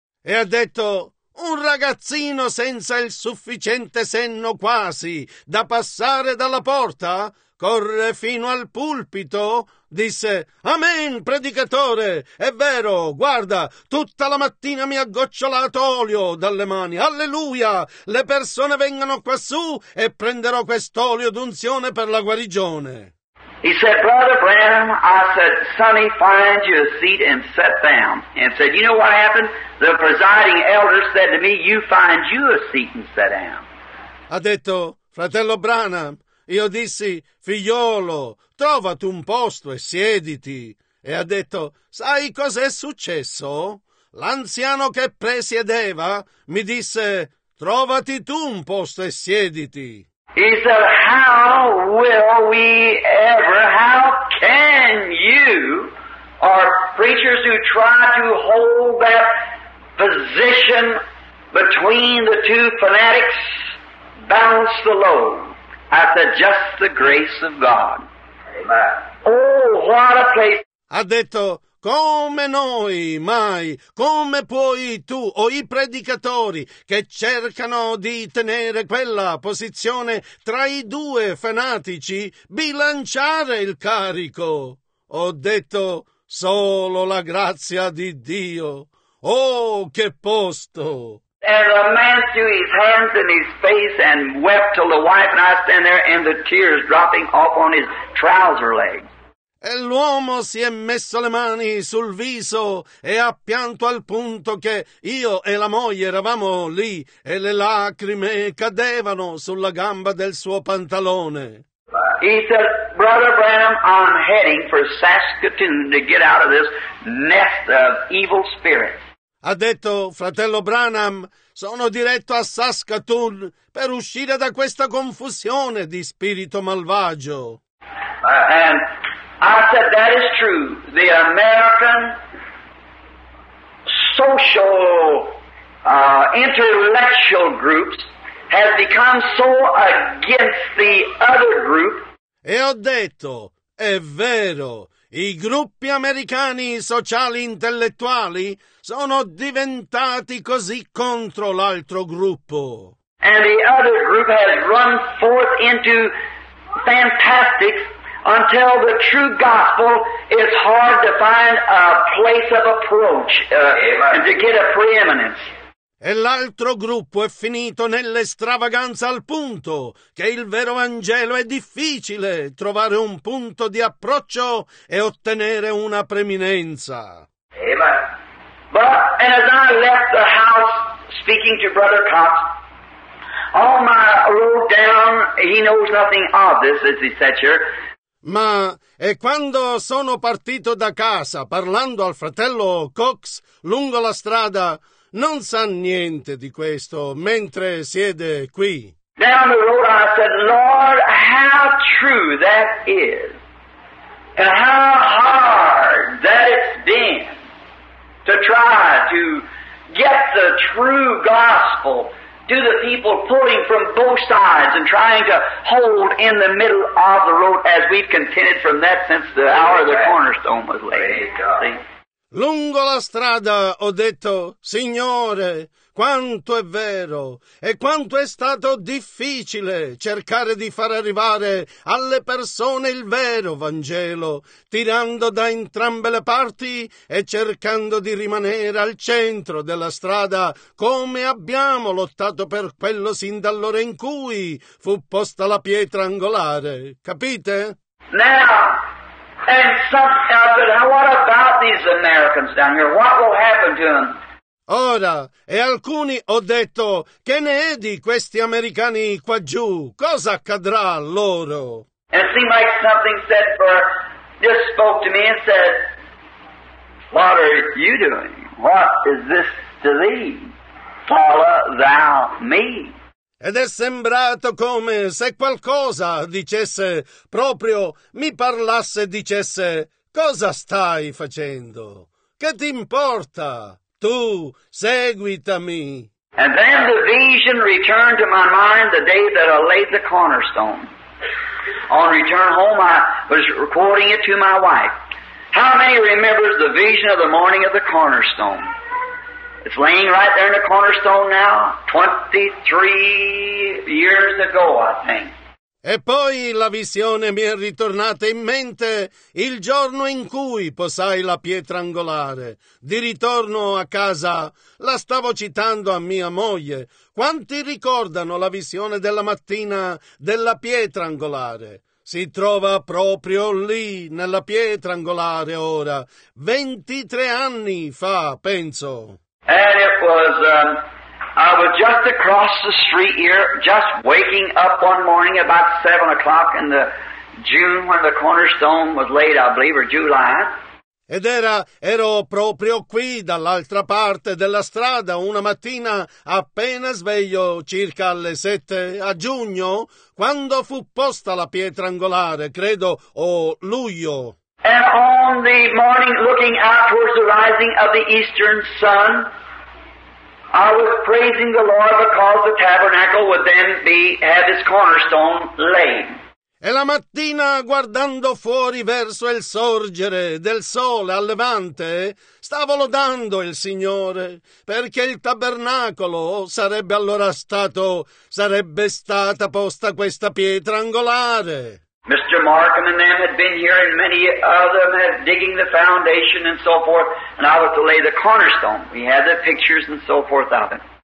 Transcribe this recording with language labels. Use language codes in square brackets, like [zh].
[it] E ha detto, un ragazzino senza il sufficiente senno quasi da passare dalla porta, corre fino al pulpito, disse, amen, predicatore, è vero, guarda, tutta la mattina mi ha gocciolato olio dalle mani, alleluia, le persone vengano quassù e prenderò quest'olio d'unzione per la guarigione. [en] He said, Brother Branham, I said, sonny, find you a seat and sit down. And said, you know what happened? The presiding elder said to me, you find you a seat and sit down. [it] Ha detto, fratello Branham, io dissi, figliolo, trovati un posto e siediti. E ha detto, sai cos'è successo? L'anziano che presiedeva mi disse, trovati tu un posto e siediti. [en] He said, how will we ever, how can you, our preachers who try to hold that position between the two fanatics, balance the load? At the just the grace of God. Amen. Oh, what a place. [it] Ha detto, come noi mai, come puoi tu o i predicatori che cercano di tenere quella posizione tra i due fanatici bilanciare il carico? Ho detto, solo la grazia di Dio. Oh, che posto! [en] And the man threw his hands in his face and wept till the wife and I stand there and the tears dropping off on his trouser legs. [it] E l'uomo si è messo le mani sul viso e ha pianto al punto che io e la moglie eravamo lì e le lacrime cadevano sulla gamba del suo pantalone. [en] He said, Brother Branham, I'm heading for Saskatoon to get out of this nest of evil spirits. [it] Ha detto, fratello Branham, sono diretto a Saskatoon per uscire da questa confusione di spirito malvagio. [en] And I said, that is true. The American social intellectual groups has become so against the other group. [it] E ho detto, è vero, i gruppi americani sociali intellettuali sono diventati così contro l'altro gruppo. [en] And the other group has run forth into fantastics until the true gospel is hard to find a place of approach and to get a preeminence. [it] E l'altro gruppo è finito nell'estravaganza al punto che il vero Vangelo è difficile trovare un punto di approccio e ottenere una preeminenza. [en] Amen. But, and as I left the house speaking to Brother Cox, on my road down, he knows nothing of this, as he said here. [it] Ma, e quando sono partito da casa parlando al fratello Cox lungo la strada, non sa niente di questo mentre siede qui. [en] Down the road I said, Lord, how true that is, and how hard that it's been to try to get the true gospel to the people pulling from both sides and trying to hold in the middle of the road as we've contended from that since the hour of the cornerstone was laid. [it] Lungo la strada ho detto, Signore, quanto è vero e quanto è stato difficile cercare di far arrivare alle persone il vero Vangelo, tirando da entrambe le parti e cercando di rimanere al centro della strada come abbiamo lottato per quello sin dall'ora in cui fu posta la pietra angolare. Capite? [en] Now! And some, I said, what about these Americans down here? What will happen to them? [it] Ora, e alcuni ho detto, che ne è di questi americani qua giù? Cosa accadrà a loro? [en] And see, Mike, something said for, just spoke to me and said, what are you doing? What is this to thee? Follow thou me. [it] Ed è sembrato come se qualcosa dicesse proprio, mi parlasse e dicesse, cosa stai facendo? Che ti importa? Tu, seguitami. [en] And then the vision returned to my mind the day that I laid the cornerstone. On return home, I was quoting it to my wife. How many remembers the vision of the morning of the cornerstone? It's laying right there in the cornerstone now, 23 years ago, I think. [it] E poi la visione mi è ritornata in mente il giorno in cui posai la pietra angolare. Di ritorno a casa la stavo citando a mia moglie. Quanti ricordano la visione della mattina della pietra angolare? Si trova proprio lì, nella pietra angolare ora, 23 anni fa, penso. [en] And it was, I was just across the street here, just waking up one morning about 7 o'clock in the June when the cornerstone was laid, I believe, or July. [it] Ed ero proprio qui dall'altra parte della strada una mattina appena sveglio circa alle 7 a giugno, quando fu posta la pietra angolare, credo, o luglio. [en] And on the morning looking out towards the rising of the eastern sun, I was praising the Lord because the tabernacle would then be had its cornerstone laid. [it] E la mattina guardando fuori verso il sorgere del sole al levante, stavo lodando il Signore perché il tabernacolo sarebbe allora stato, sarebbe stata posta questa pietra angolare. [en] Mr. Markham and them had been here, and many of them had digging the foundation and so forth, and I was to lay the cornerstone. We had the pictures and so forth of it.